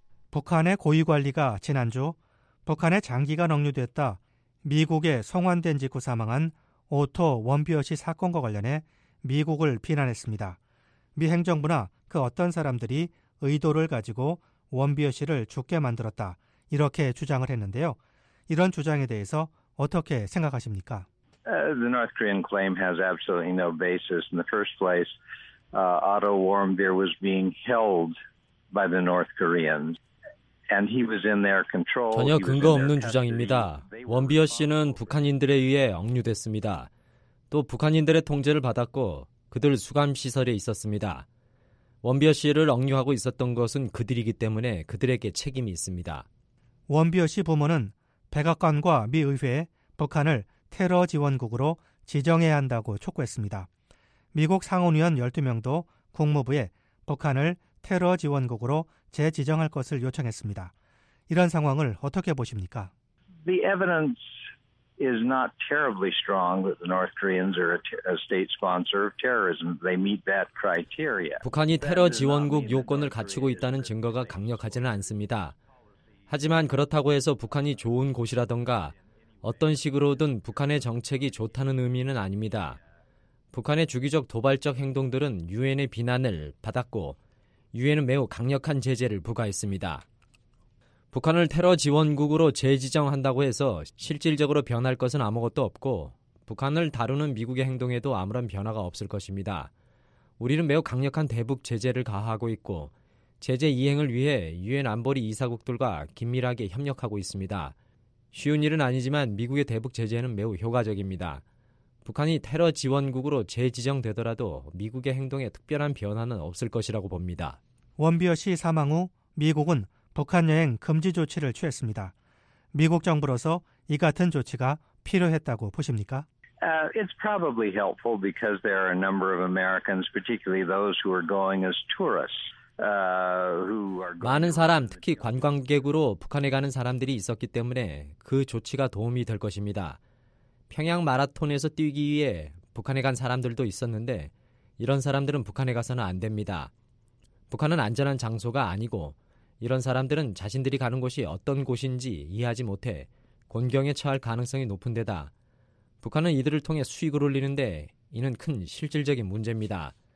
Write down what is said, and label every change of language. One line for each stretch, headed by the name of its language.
Korean: 북한의 고위관리가 지난주 북한의 장기가 억류됐다 미국에 송환된 직후 사망한 오토 원비어시 사건과 관련해 미국을 비난했습니다. 미 행정부나 그 어떤 사람들이 의도를 가지고 원비어시를 죽게 만들었다 이렇게 주장을 했는데요. 이런 주장에 대해서 어떻게 생각하십니까?
English: The North Korean claim has absolutely no basis in the first place. Otto Warmbier was being held by the North Koreans. And he was in their control.
Korean: 전혀 근거 없는 주장입니다. 원비어 씨는 북한인들에 의해 억류됐습니다. 또 북한인들의 통제를 받았고 그들 수감시설에 있었습니다. 원비어 씨를 억류하고 있었던 것은 그들이기 때문에 그들에게 책임이 있습니다. 원비어 씨 부모는 백악관과 미 의회에 북한을 테러 지원국으로 지정해야 한다고 촉구했습니다. 미국 상원의원 12명도 국무부에 북한을 테러 지원국으로 재지정할 것을 요청했습니다. 이런 상황을 어떻게 보십니까?
English: The evidence is not terribly strong that the North Koreans are a state sponsor of terrorism. They meet that criteria.
Korean: 북한이 테러 지원국 요건을 갖추고 있다는 증거가 강력하지는 않습니다. 하지만 그렇다고 해서 북한이 좋은 곳이라던가 어떤 식으로든 북한의 정책이 좋다는 의미는 아닙니다. 북한의 주기적 도발적 행동들은 유엔의 비난을 받았고 유엔은 매우 강력한 제재를 부과했습니다. 북한을 테러 지원국으로 재지정한다고 해서 실질적으로 변할 것은 아무것도 없고 북한을 다루는 미국의 행동에도 아무런 변화가 없을 것입니다. 우리는 매우 강력한 대북 제재를 가하고 있고 제재 이행을 위해 유엔 안보리 이사국들과 긴밀하게 협력하고 있습니다. 쉬운 일은 아니지만 미국의 대북 제재는 매우 효과적입니다. 북한이 테러 지원국으로 재지정되더라도 미국의 행동에 특별한 변화는 없을 것이라고 봅니다. 원비어 씨 사망 후 미국은 북한 여행 금지 조치를 취했습니다. 미국 정부로서 이 같은 조치가 필요했다고 보십니까?
English: It's probably helpful because there are a number of Americans, particularly those who are going as tourists.
Korean: 많은 사람, 특히 관광객으로 북한에 가는 사람들이 있었기 때문에 그 조치가 도움이 될 것입니다. 평양 마라톤에서 뛰기 위해 북한에 간 사람들도 있었는데 이런 사람들은 북한에 가서는 안 됩니다. 북한은 안전한 장소가 아니고 이런 사람들은 자신들이 가는 곳이 어떤 곳인지 이해하지 못해 곤경에 처할 가능성이 높은 데다 북한은 이들을 통해 수익을 올리는데 이는 큰 실질적인 문제입니다.